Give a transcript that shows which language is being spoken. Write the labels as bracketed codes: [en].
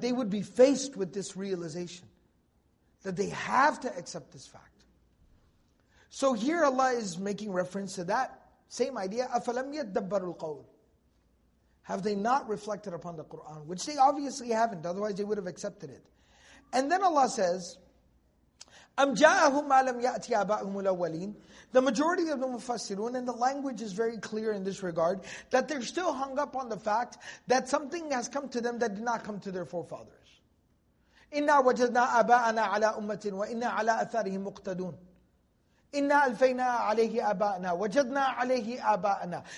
[en] They would be faced with this realization that they have to accept this fact. So here Allah is making reference to that same idea. [ar] أَفَلَمْ يَدَّبَّرُ الْقَوْلِ. [en] Have they not reflected upon the Qur'an? Which they obviously haven't, otherwise they would have accepted it. And then Allah says, [ar] أَمْ جَاءَهُمْ مَا لَمْ يَأْتِ آبَاءَهُمُ الْأَوَّلِينَ. [en] The majority of the Mufassirun, and the language is very clear in this regard, that they're still hung up on the fact that something has come to them that did not come to their forefathers. [ar] إِنَّا وَجَدْنَا آبَاءَنَا عَلَىٰ أُمَّةٍ وَإِنَّا عَلَىٰ أَثَارِهِمْ مُقْتَدُونَ. إِنَّا أَلْفَيْنَا عَلَيْهِ أَبَاءَنَا وَجَدْنَا عَلَيْهِ أَبَاءَنَا.